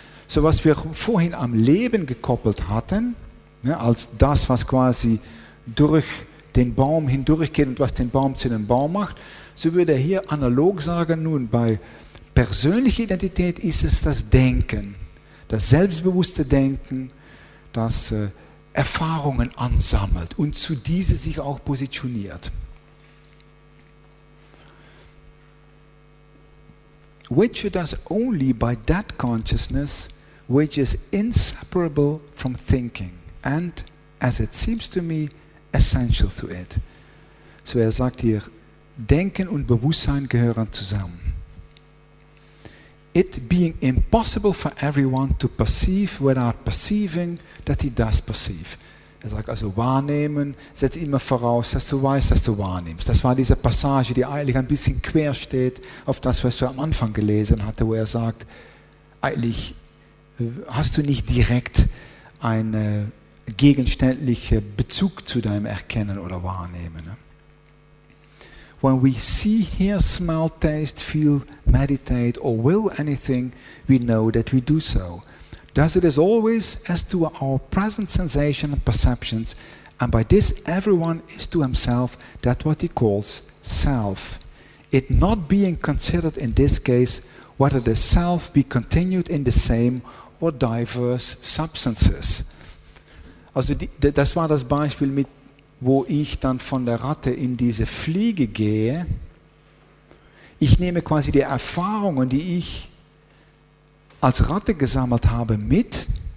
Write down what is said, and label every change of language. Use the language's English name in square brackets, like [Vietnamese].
[German] So was wir vorhin am Leben gekoppelt hatten, ja, als das, was quasi durch den Baum hindurchgeht und was den Baum zu einem Baum macht, so würde er hier analog sagen, nun bei persönlicher Identität ist es das Denken, das selbstbewusste Denken, das Erfahrungen ansammelt und zu diese sich auch positioniert. [English] Which it does only by that consciousness which is inseparable from thinking and, as it seems to me, essential to it. [German] So er sagt hier, Denken und Bewusstsein gehören zusammen. [English] It being impossible for everyone to perceive without perceiving that he does perceive. [German] Er sagt also, wahrnehmen setzt immer voraus, dass du weißt, dass du wahrnimmst. Das war diese Passage, die eigentlich ein bisschen quer steht auf das, was du am Anfang gelesen hatte, wo er sagt, eigentlich hast du nicht direkt einen gegenständlichen Bezug zu deinem Erkennen oder Wahrnehmen. [English] When we see, hear, smell, taste, feel, meditate or will anything, we know that we do so. Thus it is always as to our present sensation and perceptions, and by this everyone is to himself that what he calls self. It not being considered in this case whether the self be continued in the same or diverse substances. [German] Also das war das Beispiel mit, wo ich dann von der Ratte in diese Fliege gehe. Ich nehme quasi die Erfahrungen, die ich als Ratte gesammelt habe, mit.